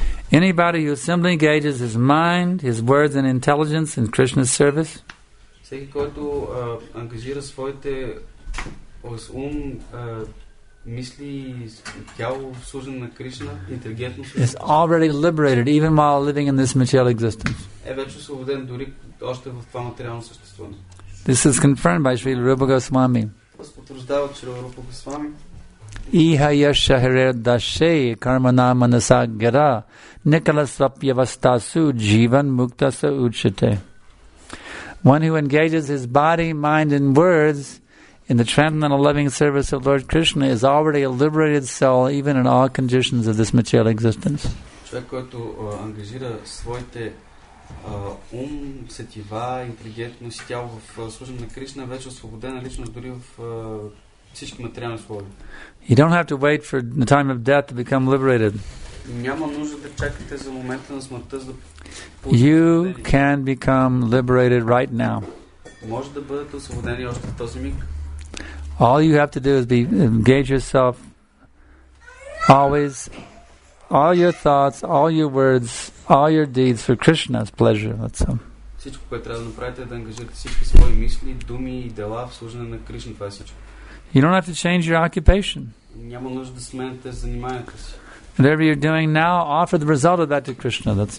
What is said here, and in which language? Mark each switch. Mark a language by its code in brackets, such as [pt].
[en] Anybody who simply engages his mind, his words and intelligence in Krishna's service, [bg] всеки, който ангажира своите ум, мисли, тяло в служене на Кришна, интелигентно служене, [en] is already liberated even while living in this material existence. [bg] Е вече освободен дори още в това материално съществуване. [en] This is confirmed by Śrīla Rūpa Gosvāmī. [bg] Това се потвърждава от Śrīla Rūpa Gosvāmī. [sa] Iha yasha herer dashe karmana manasa gara nikala svapyavastasu jivan muktasa uchite. [en] One who engages his body, mind, and words in the transcendental loving service of Lord Krishna is already a liberated soul, even in all conditions of this material existence. [bg] Човек, който ангажира своите ум, сетива, интелигентност, тяло в служене на Кришна, вече освободена личност дори в всички материални условия. [en] You don't have to wait for the time of death to become liberated. [bg] Няма нужда да чакате за момента на смъртта, за да. [en] You can become liberated right now. [bg] Може да бъдете освободени още в този миг. [en] All you have to do is be engage yourself always, all your thoughts, all your words, all your deeds for Krishna's pleasure. That's all. [bg] Всичко, което трябва да направите, е да ангажирате всички свои мисли, думи и дела в служене на Кришна. Това е всичко. [en] You don't have to change your occupation. [bg] Няма нужда да сменяте заниманието си. [en] Whatever you're doing now, offer the result of that to Krishna, that's